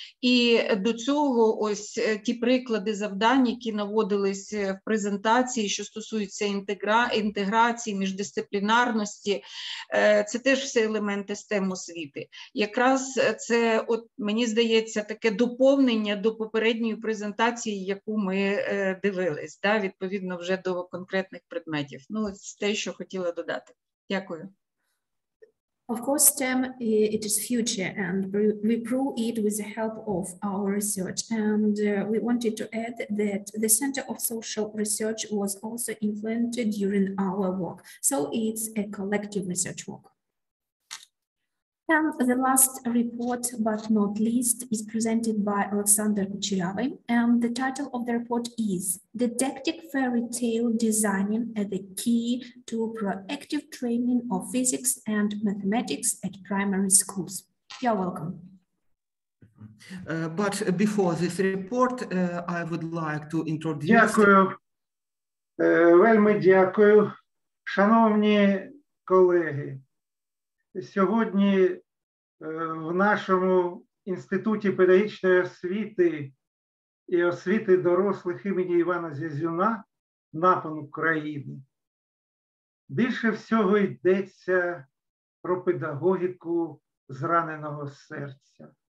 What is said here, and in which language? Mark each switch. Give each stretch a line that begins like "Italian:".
Ukrainian: І до цього ось ті приклади завдань, які наводились в презентації, що стосуються інтеграції, міждисциплінарності, це теж все елементи STEM освіти. Якраз це, от, мені здається, таке доповнення до попередньої презентації, яку ми дивились, да, відповідно вже до конкретних предметів. Ну, це те, що хотіла додати. Дякую.
English: Of course, STEM, it is future, and we prove it with the help of our research. And we wanted to add that the Center of Social Research was also influenced during our work. So it's a collective research work. And the last report, but not least, is presented by Alexander Kuchiravi. And the title of the report is Didactic Fairy Tale Designing as the Key to Proactive Training of Physics and Mathematics at Primary Schools. You're welcome. But before this report, I would like to introduce...
Ukrainian: Дякую. Вельми дякую. Шановні колеги, сьогодні в нашому Інституті педагогічної освіти і освіти дорослих імені Івана Зязюна, напан України, більше всього йдеться про педагогіку зраненого серця.